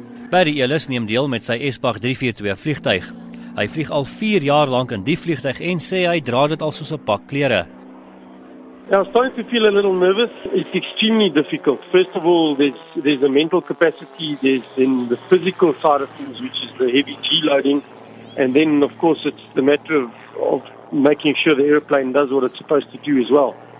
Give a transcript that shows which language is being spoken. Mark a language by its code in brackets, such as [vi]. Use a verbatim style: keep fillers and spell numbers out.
[af] Barry Ellis neem deel met sy Aspach drie vier twee vliegtuig. Hy vlieg al vier jaar lank in die vliegtuig en sê hy dra dit al soos 'n pak klere. [en] I'm starting to feel a little nervous. It's extremely difficult. First of all, there's there's the mental capacity, there's then the physical side of things, which is the heavy G-loading, and then, of course, it's the matter of, of making sure the airplane does what it's supposed to do as well.